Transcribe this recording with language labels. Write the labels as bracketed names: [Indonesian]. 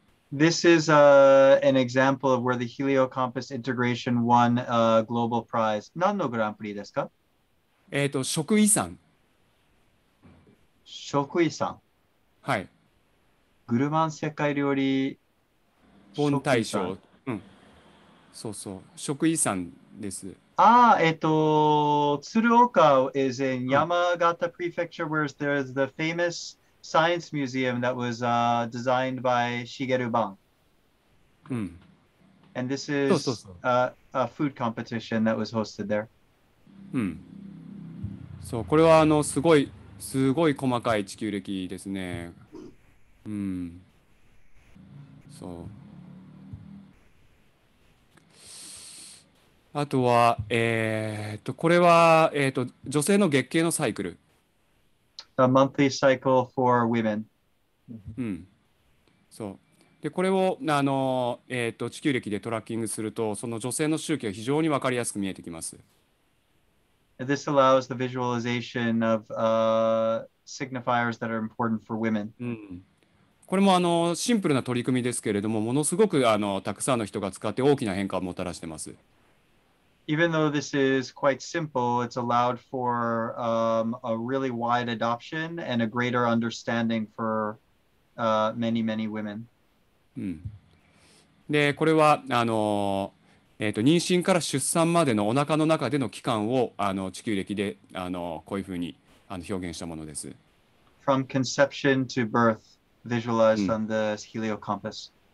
[English] This is an example of where the Heliocompass Integration won a global prize. [Japanese] 何のグランプリですか？食遺産。食遺産。はい、グルマン世界料理本大賞、そう食遺産です。 [English] 鶴岡 is in Yamagata prefecture where there's the famous science museum that was designed by Shigeru Ban. And this is a food competition that was hosted there. [Japanese] そう、これはあのすごい細かい地球歴ですね。そう。あとは、これは、女性の月経のサイクル。 [English] A monthly cycle for women. [Japanese] そう。で、これを、地球歴でトラッキングすると、その女性の周期が非常に分かりやすく見えてきます。 [English] This allows the visualization of signifiers that are important for women. [Japanese] これもあのシンプルな取り組みですけれども、ものすごくあのたくさんの人が使って大きな変化をもたらしています。 [English] Even though this is quite simple, it's allowed for、a really wide adoption and a greater understanding for、many, many women.、 [Japanese] うん、で、これはあの、妊娠から出産までのお腹の中での期間をあの地球歴であのこういうふうにあの表現したものです。 [English] From conception to birth, visualized、うん、on the heliocompass.、